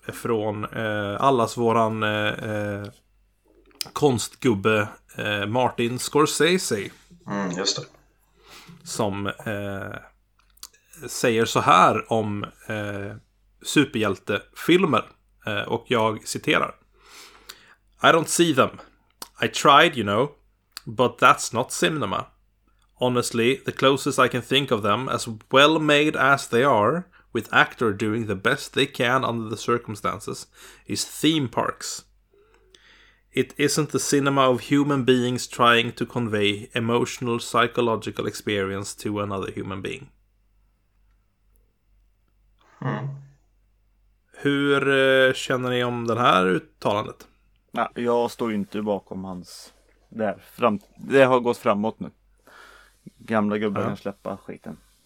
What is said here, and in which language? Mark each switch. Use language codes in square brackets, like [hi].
[sv] Från allas våran konstgubbe Martin Scorsese. Mm, just det. Som säger så här om superhjältefilmer. Och jag citerar: [en] "I don't see them. I tried, you know, but that's not cinema. Honestly, the closest I can think of them, as well made as they are, with actor doing the best they can under the circumstances, is theme parks. It isn't the cinema of human beings trying to convey emotional, psychological experience to another human being." Mm. [sv] Hur känner ni om det här uttalandet? Ja, jag står ju inte bakom hans... Det har gått framåt nu. Gamla gubben kan släppa skiten.